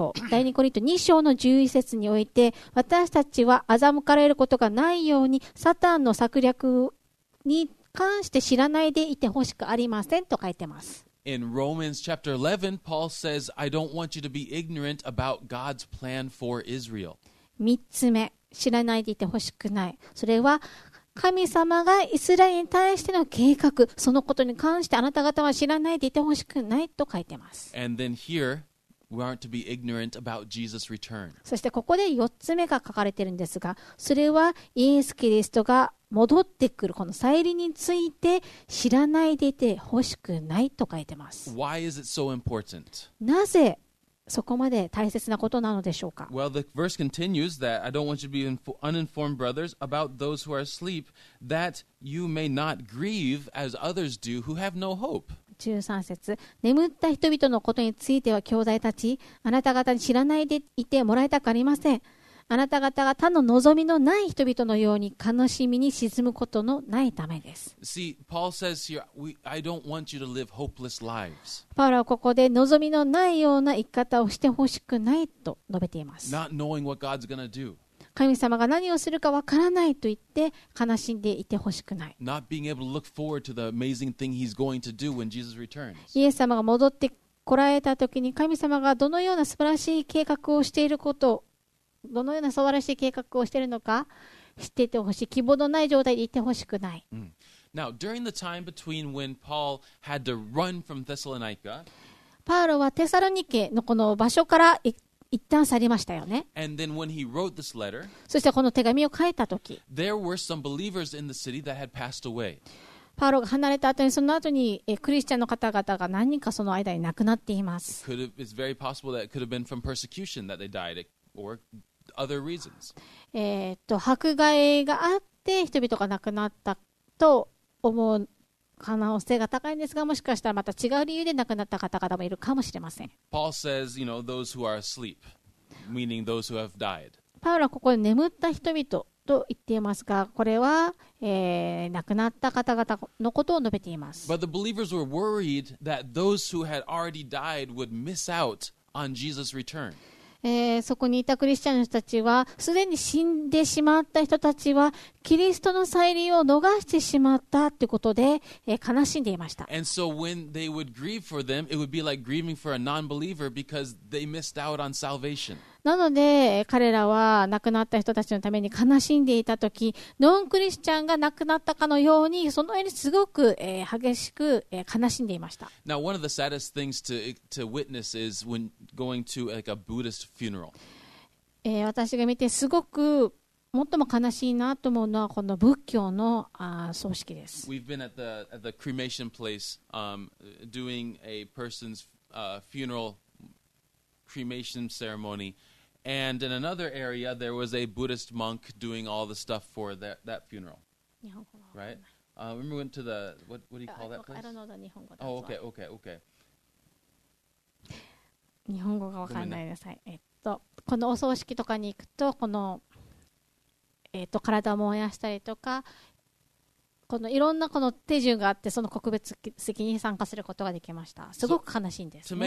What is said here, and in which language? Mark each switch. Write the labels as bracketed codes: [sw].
[ja] 第2コリント2章の11節において、私たちは欺かれることがないようにサタンの策略に関して知らないでいてほしくありませんと書いてます。 [en] In Romans chapter 11, Paul says, I don't want you to be ignorant about God's plan for Israel. [ja] 3つ目、知らないでいてほしくない。それは神様がイスラエルに対しての計画、そのことに関してあなた方は知らないでいてほしくないと書いてます。 [en] And then here,We aren't to be ignorant about Jesus' return. [ja] そしてここで4つ目が書かれているんですが、それはイエス・キリストが戻ってくるこの再臨について知らないでいてほしくないと書いてます。 [en] Why is it so important? [ja] なぜそこまで大切なことなのでしょうか。 [en] Well, the verse continues that I don't want you to be uninformed, brothers, about those who are asleep, that you may not grieve as others do who have no hope. [ja] 13節、眠った人々のことについては兄弟たち、あなた方に知らないでいてもらいたくありません。あなた方が他の望みのない人々のように悲しみに沈むことのないためです。 [en] See, Paul says here, I don't want you to live hopeless lives. [ja] パウロはここで望みのないような生き方をしてほしくないと述べています。 [en] Not knowing what God's gonna do. [ja] 神様が何をするかわからないと言って悲しんでいてほしくない。 [en] Not being able to look forward to the amazing thing he's going to do when Jesus returns. [ja] イエス様が戻ってこられた時に神様がどのような素晴らしい計画をしていることをどのような素晴らしい計画をしているのか知っていてほしい。希望のない状態でいてほしくない。 [en] Now, during the time between when Paul had to run from Thessalonica, [ja] パウロはテサロニケのこの場所から一旦去りましたよね。 [en] And then when he wrote this letter, [ja] そしてこの手紙を書いた時、 [en] there were some believers in the city that had passed away. [ja] パウロが離れた後にその後にクリスチャンの方々が何人かその間に亡くなっています。 [en] It's very possible that it could have been from persecution that they died or other reasons. [ja] 迫害があって人々が亡くなったと思う可能性が高いんですが、もしかしたらまた違う理由で亡くなった方々もいるかもしれません。 [en] Paul says, you know, those who are asleep, meaning those who have died. [ja] パウロはここで眠った人々と言っていますが、これは、亡くなった方々のことを述べています。 [en] But the believers were worried that those who had already died would miss out on Jesus' return. [ja] そこにいたクリスチャンの人たちは、すでに死んでしまった人たちは、キリストの再臨を逃してしまったということで、悲しんでいました。 [en] And so when they would grieve for them, it would be like grieving for a non-believer because they missed out on salvation. [ja] なので彼らは亡くなった人たちのために悲しんでいたとき、ノンクリスチャンが亡くなったかのようにそのようにすごく、激しく、悲しんでいました。 [en] Now, one of the saddest things to witness is when going to like a Buddhist funeral. [ja] 私が見てすごく最も悲しいなと思うのはこの仏教の葬式です。 [en] We've been at the cremation place, doing a person's, funeralcremation ceremony, and in another area there was a Buddhist monk doing all the stuff for that funeral. Right? Remember we went to the what do you call that place? I don't know the Japanese. Oh, okay. [ja] 日本語がわかんないです。このお葬式とかに行くと、この体を燃やしたりとか、このいろんなこの手順があって、その告別式に参加することができました。すごく悲しいんですね。